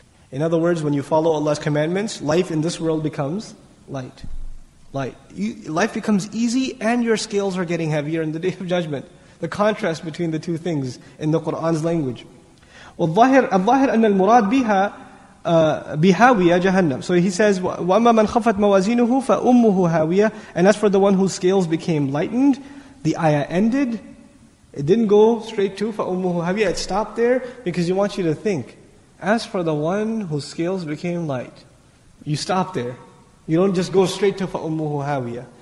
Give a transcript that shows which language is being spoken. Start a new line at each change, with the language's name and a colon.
English: In other words, when you follow Allah's commandments, life in this world becomes light. Life becomes easy and your scales are getting heavier in the Day of Judgment. The contrast between the two things in the Qur'an's language.
Arabic: وَالظَّاهِرْ أَنَّ الْمُرَادْ بِهَا بِهَاوِيَ جَهَنَّمْ.
English: So he says,
Arabic: وَأَمَّا مَنْ خَفَتْ مَوَازِينُهُ فَأُمُّهُ هَاوِيَةً.
English: And as for the one whose scales became lightened, the ayah ended. It didn't go straight to
Arabic: فَأُمُّهُ هَاوِيَةً.
English: It stopped there because he wants you to think. As for the one whose scales became light, you stop there. You don't just go straight to
Arabic: فَأُمُّهُ هَاوِيَةً.